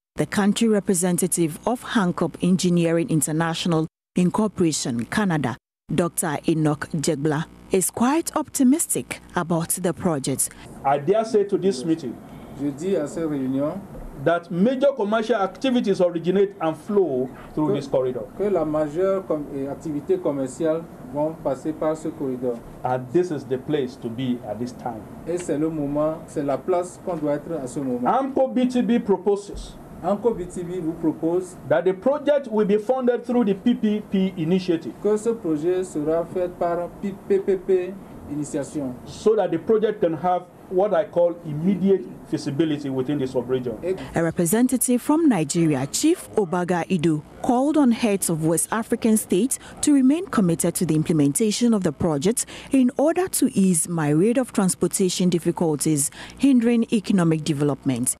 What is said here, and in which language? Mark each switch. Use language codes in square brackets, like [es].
[en] The country representative of Hancock Engineering International Incorporation, Canada, Dr. Enoch Jegbla, is quite optimistic about the project. I dare say to this meeting that major commercial activities originate and flow through this corridor. [fr] Que la majeure activité commerciale vont passer par ce corridor. [en] And this is the place to be at this time. [fr] Et c'est le moment, c'est la place qu'on doit être à ce moment. [en] AMCO BTB proposes. AMCO BTB will propose that the project will be funded through the PPP initiative. [fr] Que ce projet sera fait par PPP initiation. [en] So that the project can have what I call immediate feasibility within the sub-region. A representative from Nigeria, Chief Obaga Ido, called on heads of West African states to remain committed to the implementation of the project in order to ease myriad of transportation difficulties hindering economic development.